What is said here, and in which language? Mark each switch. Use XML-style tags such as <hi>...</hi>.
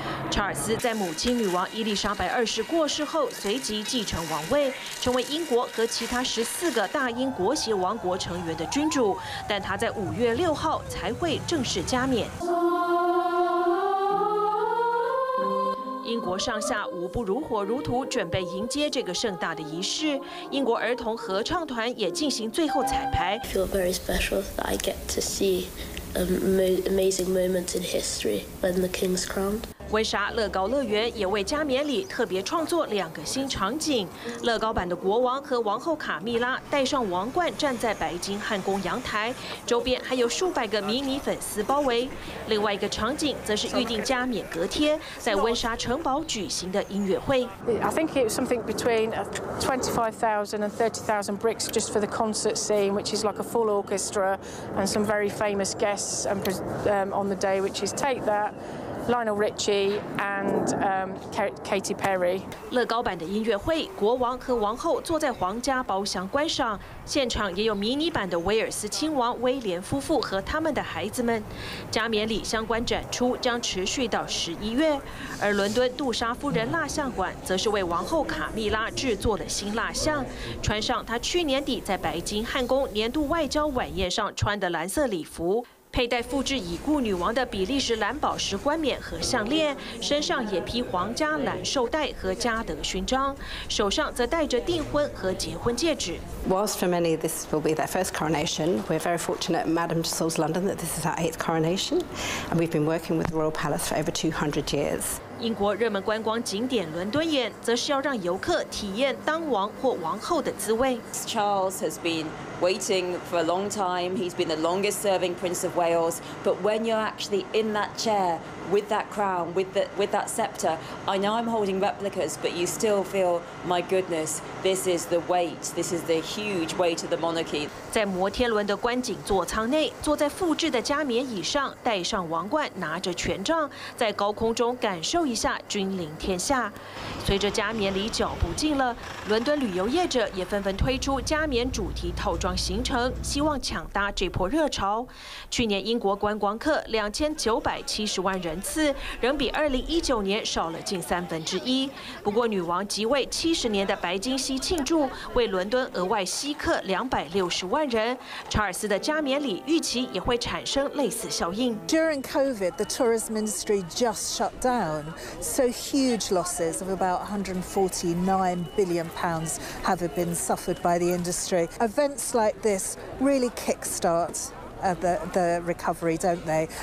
<zh>查尔斯在母亲女王伊丽莎白2世过世后，随即继承王位，成为英国和其他14个大英国协王国成员的君主，但他在5月6号才会正式加冕。英国上下无不如火如荼准备迎接这个盛大的仪式，英国儿童合唱团也进行最后彩排。</zh> <en>I feel very special that I get to see an amazing moment in history when the king's crowned。</en> <zh>温莎乐高乐园也为加冕礼特别创作2个新场景，乐高版的国王和王后卡蜜拉戴上王冠站在白金汉宫阳台，周边还有数百个迷你粉丝包围。另外一个场景则是预定加冕隔天在温莎城堡举行的音乐会。</zh> <en>I think it was something between 25,000 and 30,000 bricks just for the concert scene, which is like a full orchestra and some very famous guests on the day, which is take that。 Lionel Richie and Katy Perry.</en> <zh>乐高版的音乐会，国王和王后坐在皇家包厢观赏。现场也有迷你版的威尔斯亲王威廉夫妇和他们的孩子们。加冕礼相关展出将持续到11月，而伦敦杜莎夫人蜡像馆则是为王后卡蜜拉制作了新蜡像，穿上她去年底在白金汉宫年度外交晚宴上穿的蓝色礼服。佩戴复制已故女王的比利时蓝宝石冠冕和项链，身上也披皇家蓝绶带和嘉德勋章，手上则戴着订婚和结婚戒指。</zh> <en>Whilst for many this will be their first coronation, we're very fortunate, Madame Tussauds London, that this is our 8th coronation, and we've been working with the Royal Palace for over 200 years.</en> <zh>英国热门观光景点伦敦眼，则是要让游客体验当王或王后的滋味。</zh> <en>Charles has been waiting for a long time. He's been the longest-serving Prince of Wales. But when you're actually in that chair with that crown, with that scepter, I know I'm holding replicas, but you still feel, my goodness, this is the weight. This is the huge weight of the monarchy.</en> <zh>在摩天轮的观景座舱内，坐在复制的加冕椅上，戴上王冠，拿着权杖，在高空中感受。一下君临天下。随着加冕礼脚步近了，伦敦旅游业者也纷纷推出加冕主题套装行程，希望抢搭这波热潮。去年英国观光客2970万人次，仍比2019年少了近三分之一。不过，女王即位70年的白金禧庆祝，为伦敦额外吸客260万人。查尔斯的加冕礼预期也会产生类似效应。</zh> <en>During COVID, the tourism industry just shut down. So huge losses of about £149 billion have been suffered by the industry. Events like this really kickstart the recovery, don't they?</en>